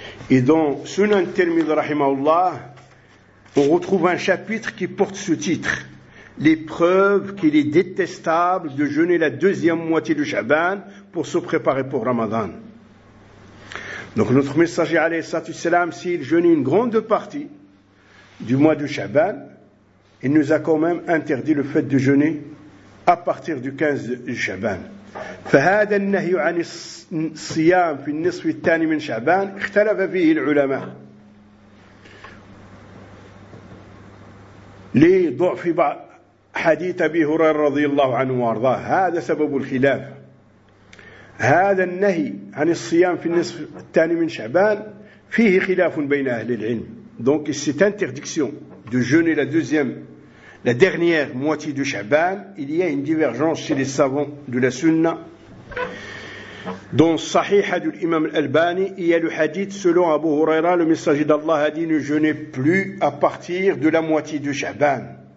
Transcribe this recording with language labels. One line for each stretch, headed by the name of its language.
French: Et dans Sunan Tirmidhi rahimahullah, on retrouve un chapitre qui porte ce titre: les preuves qu'il est détestable de jeûner la deuxième moitié du Sha'ban pour se préparer pour Ramadan. Donc notre messager
Arabic: alayhi salatu wassalam
French: s'il jeûnait une grande partie du mois du Sha'ban, il nous a quand même interdit le fait de jeûner à partir du 15 du Sha'ban.
Arabic: فهذا النهي عن الصيام في النصف الثاني من شعبان اختلف فيه العلماء لضعف حديث أبي هريرة رضي الله عنه وارضاه. هذا سبب الخلاف. هذا النهي عن الصيام في النصف الثاني من شعبان فيه خلاف بين أهل العلم.
French: Donc c'est interdiction de jeûner la dernière moitié de Sha'ban. Il y a une divergence chez les savants de la Sunna. Dans Sahih de l'Imam al-Albani, il y a le hadith selon Abu Huraira, le messager d'Allah a dit ne jeûnez plus à partir de la moitié de Sha'ban.